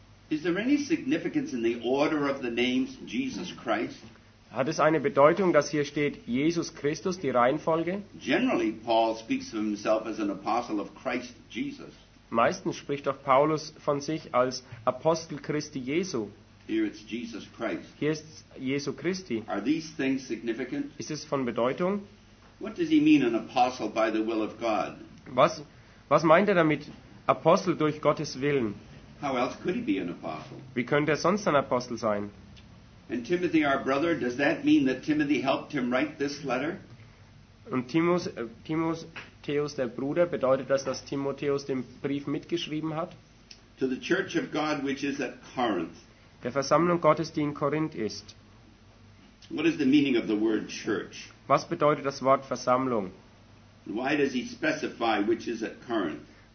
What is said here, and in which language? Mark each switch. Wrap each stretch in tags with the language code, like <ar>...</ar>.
<en>Is there any significance in the order of the names Jesus Christ?</en> <de>Hat es eine Bedeutung, dass hier steht Jesus Christus, die Reihenfolge?</de> <en>Generally, Paul speaks of himself as an apostle of Christ Jesus.</en> <de>Meistens spricht doch Paulus von sich als Apostel Christi Jesu.</de> <en>Here it's Jesus Christ.</en> <de>Hier ist Jesu Christi.</de> <en>Are these things significant?</en> <de>Ist es von Bedeutung?</de> <en>What does he mean, an apostle by the will of God?</en> <de>Was meint er damit, Apostel durch Gottes Willen?</de> <en>How else could he be an apostle?</en> <de>Wie könnte er sonst ein Apostel sein?</de> <en>And Timothy, our brother, does that mean that Timothy helped him write this letter?</en> <de>Und Timotheus, der Bruder, bedeutet das, dass Timotheus den Brief mitgeschrieben hat?</de> <en>To the church of God which is at Corinth.</en> <de>Der Versammlung Gottes, die in Korinth ist.</de> <en>What is the meaning of the word church?</en> <de>Was bedeutet das Wort Versammlung?</de> <en>Why does he specify which is at Corinth?</en>